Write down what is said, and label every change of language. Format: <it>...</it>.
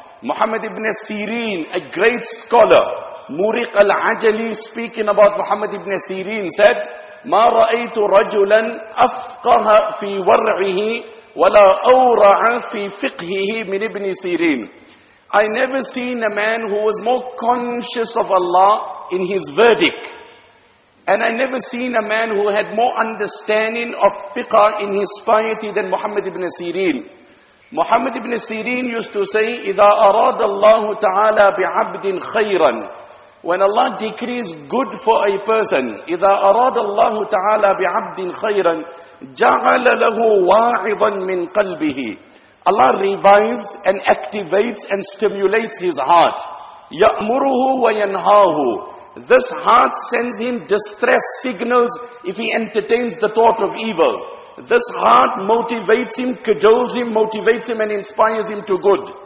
<en>Muhammad ibn Sirin, a great scholar, Muriq al-Ajali, speaking about Muhammad ibn Sirin, said,</en> <ar>مَا رَأَيْتُ رَجُلًا أَفْقَهَ فِي وَرْعِهِ وَلَا أَوْرَعَ فِي فِقْهِهِ مِنْ إِبْنِ سِيرِينَ.</ar> <en>I never seen a man who was more conscious of Allah in his verdict, and I never seen a man who had more understanding of fiqh in his piety than Muhammad ibn Sirin. Muhammad ibn Sirin used to say,</en> <ar>إِذَا أَرَادَ اللَّهُ تَعَالَى بِعَبْدٍ خَيْرًا.</ar> <en>When Allah decrees good for a person,</en> <ar>إِذَا أَرَادَ اللَّهُ تَعَالَى بِعَبْدٍ خَيْرًا جَعَلَ لَهُ وَاعِظًا مِّن قَلْبِهِ.</ar> <en>Allah revives and activates and stimulates his heart.</en> <ar>يَأْمُرُهُ وَيَنْهَاهُ.</ar> <en>This heart sends him distress signals if he entertains the thought of evil. This heart motivates him, cajoles him, motivates him and inspires him to good.</en>